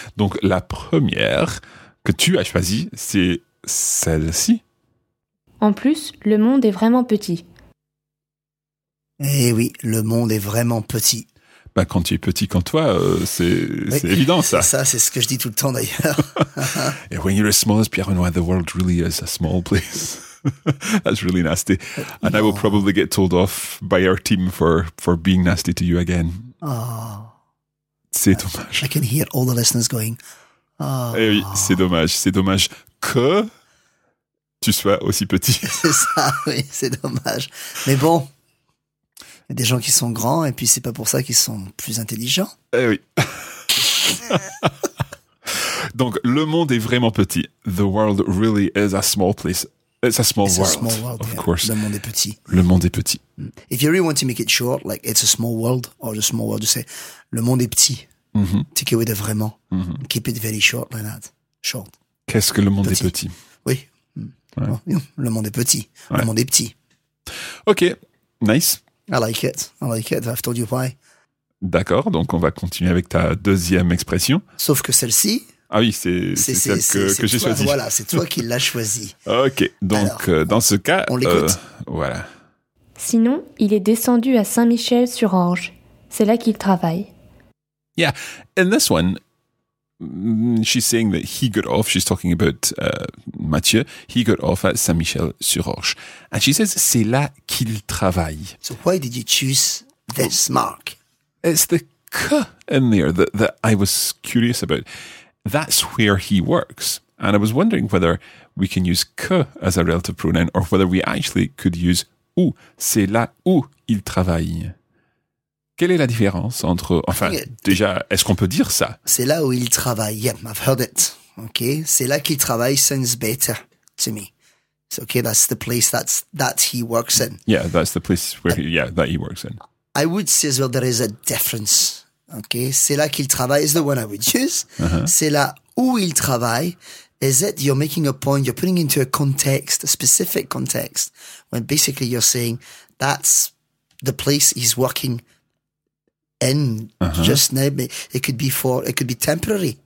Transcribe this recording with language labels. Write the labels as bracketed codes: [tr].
[fr] Donc, la première que tu as choisie, c'est celle-ci. En plus, le monde est vraiment petit. Eh oui, le monde est vraiment petit. Ben, quand tu es petit comme toi, c'est oui, évident, ça. Ça, c'est ce que je dis tout le temps, d'ailleurs. [en] Et when you're as small as Pierre-Benoît, the world really is a small place. That's really nasty. And [fr] non. [en] I will probably get told off by our team for being nasty to you again. Oh. [fr] C'est dommage. [en] I can hear all the listeners going, oh. [fr] Eh oui, c'est dommage. C'est dommage que tu sois aussi petit. C'est ça, oui, c'est dommage. Mais bon, il y a des gens qui sont grands et puis c'est pas pour ça qu'ils sont plus intelligents. Eh oui. Donc, le monde est vraiment petit. [en] The world really is a small place. It's a small it's world. It's a small world, of yeah. course. [fr] Le monde est petit. Le monde est petit. [en] If you really want to make it short, like it's a small world or the small world, you say, [fr] le monde est petit. Mm-hmm. [en] Take away the vraiment. Mm-hmm. Keep it very short like that. Short. [fr] Qu'est-ce que le monde petit. Est petit? Oui. Ouais. Le monde est petit. Ouais. Le monde est petit. [en] OK. Nice. I like it. I like it. I've told you why. [fr] D'accord. Donc, on va continuer avec ta deuxième expression. Sauf que celle-ci. Ah oui, c'est celle que j'ai choisie. Voilà, c'est toi qui l'as choisie. OK. Donc, alors, dans ce cas. On l'écoute. Voilà. Sinon, il est descendu à Saint-Michel-sur-Orge. C'est là qu'il travaille. [en] Yeah, in this one, she's saying that he got off, she's talking about Mathieu, he got off at Saint-Michel-sur-Orge. And she says, [fr] c'est là qu'il travaille. [en] So why did you choose this mark? It's the K in there that I was curious about. That's where he works. And I was wondering whether we can use K as a relative pronoun or whether we actually could use où. [fr] C'est là où il travaille. Quelle est la différence entre... Enfin, déjà, est-ce qu'on peut dire ça? C'est là où il travaille. [en] Yep, I've heard it. OK. [fr] C'est là qu'il travaille [en] sounds better to me. It's OK, that's the place that he works in. Yeah, that's the place where that he works in. I would say as well there is a difference. OK. [fr] C'est là qu'il travaille [en] is the one I would use. Uh-huh. [fr] C'est là où il travaille. [en] Is it you're making a point, you're putting into a context, a specific context, when basically you're saying that's the place he's working in just now, but it could be temporary.